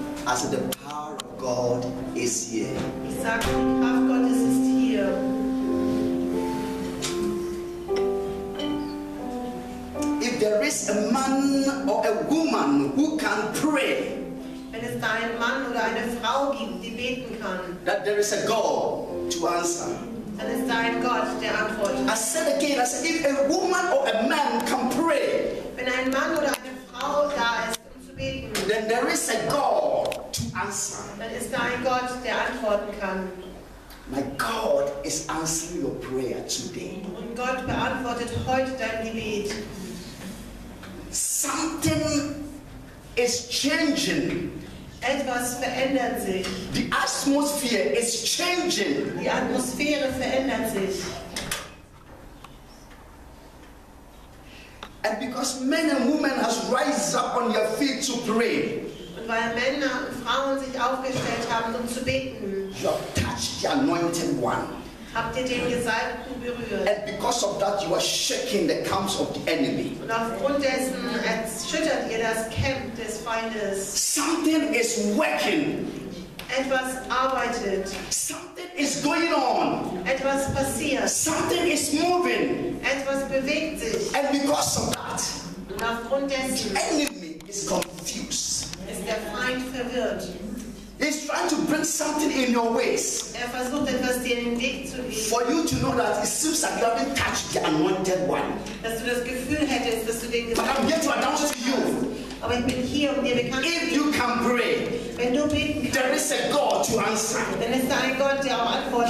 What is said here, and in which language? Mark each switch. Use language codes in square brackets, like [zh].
[en] I said the power of God is here. [de] Ich sage, die Kraft Gottes ist hier. [en] If there is a man or a woman who can pray, [de] wenn es da einen Mann oder eine Frau gibt, die beten kann, [en] that there is a God to answer. And it's thy God, [de] der antwortet. [en] I said again, I said, if a woman or a man can pray, [de] wenn ein Mann oder eine Frau da ist, um zu beten, [en] then there is a God to answer. [de] Dann ist dein Gott, der antworten kann. [en] My God is answering your prayer today. [de] Und Gott beantwortet heute dein Gebet. [en] Something is changing. [de] Etwas verändert sich. [en] The atmosphere is changing. [de] Die Atmosphäre verändert sich. [en] And because men and women has risen up on your feet to pray. [de] Und weil Männer und Frauen sich aufgestellt haben, um zu beten. [en] You have touched the anointed one. [de] Habt ihr den Gesalbten berührt? [en] And because of that, you are shaking the camps of the enemy. [de] Und aufgrund dessen erschüttert ihr das Camp des Feindes. [en] Something is working. [de] Etwas arbeitet. [en] Something is going on. [de] Etwas passiert. [en] Something is moving. [de] Etwas bewegt sich. [en] And because of that, [de] und aufgrund dessen, [en] the enemy is confused. [de] Ist der Feind verwirrt. [en] He's trying to bring something in your ways. [de] Er versucht etwas dir in den Weg zu legen. [en] For you to know that it seems like you haven't touched the anointed one. [de] Dass du das Gefühl hättest, dass du den Gesalbten. [en] But I'm here to announce to you. [de] Aber ich bin hier, um dir bekannt zu machen. [en] If you can pray, [de] wenn du beten kannst, [en] there is a God to answer. [de] Dann ist da ein Gott, der auch antwortet.